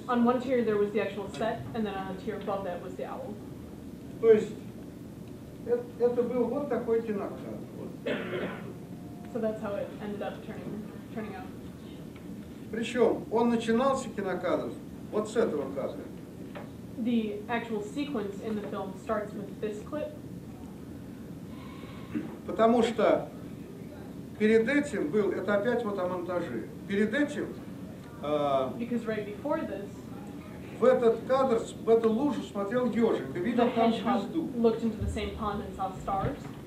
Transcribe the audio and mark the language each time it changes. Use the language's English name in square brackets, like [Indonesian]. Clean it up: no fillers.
[English] So, on one tier there was the actual set, and then on a tier above that was the owl. [Russian] То есть, это был вот такой кинокадр. Вот. [English] So that's how it ended up turning out. [Russian] Причем, он начинался кинокадр вот с этого кадра. [English] The actual sequence in the film starts with this clip. [Russian] Потому что перед этим был, это опять вот о монтаже. Перед этим [English] right before this, [Russian] в этот кадр, в эту лужу смотрел ежик и видел там звезду. [English] Looked into the same pond and saw stars.